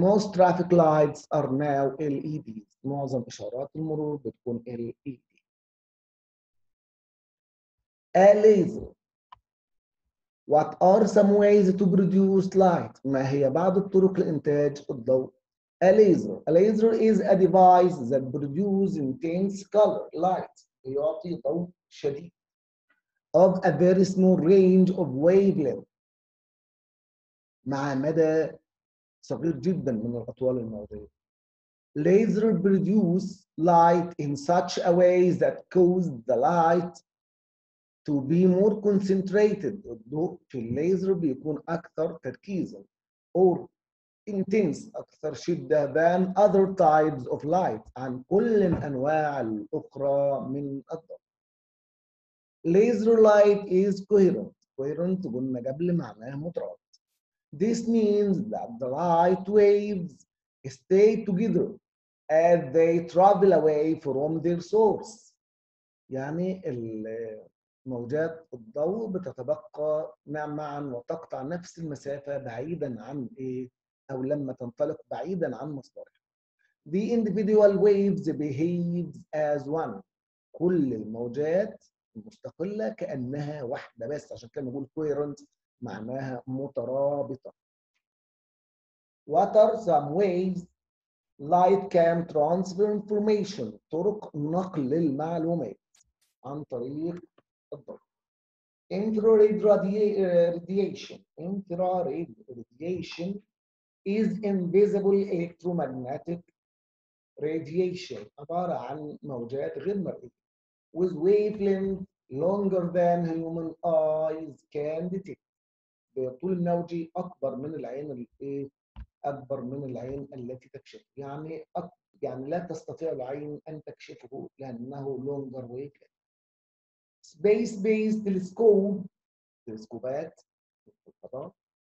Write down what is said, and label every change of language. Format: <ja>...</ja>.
<en>Most traffic lights are now LEDs.</en> <ar>معظم اشارات المرور بتكون LED.</ar> <en>A laser. What are some ways to produce light?</en> <ar>ما هي بعض الطرق لانتاج الضوء؟</ar> <en>A laser. A laser is a device that produces intense color light.</en> <ar>يعطي ضوء شديد.</ar> <en>Of a very small range of wavelength.</en> <ar>مع مدى صغير جدا من الاطوال الموضعيه.</ar> <en>Laser produce light in such a way that caused the light to be more concentrated.</en> <ar>الضوء في الليزر بيكون اكثر تركيزا</ar> <en>or intense</en> <ar>اكثر شده</ar> <en>than other types of light</en> <ar>عن كل الانواع الاخرى من الضوء.</ar> <en>Laser light is coherent.</en> <ar>Coherent قلنا قبل معناه مترابط.</ar> <en>This means that the light waves stay together as they travel away from their source.</en> <ar>يعني الموجات الضوء بتتبقى معا وتقطع نفس المسافة بعيدا عن ايه او لما تنطلق بعيدا عن مصدرها.</ar> <en>The individual waves behave as one.</en> <ar>كل الموجات مستقلة كأنها واحدة بس، عشان كده نقول coherent معناها مترابطة.</ar> <en>What are some ways light can transfer information?</en> <ar>طرق نقل المعلومات عن طريق الضوء.</ar> <en>Infrared radiation. Infrared radiation is invisible electromagnetic radiation.</en> <ar>عبارة عن موجات غير مرئية.</ar> <en>With wavelength longer than human eyes can detect.</en> <ar>بطول موجي اكبر من العين اكبر من العين التي تكشف، يعني يعني لا تستطيع العين ان تكشفه لانه</ar> <en>longer wavelength. Space based telescope</en> <ar>تلسكوبات الفضاء.</ar>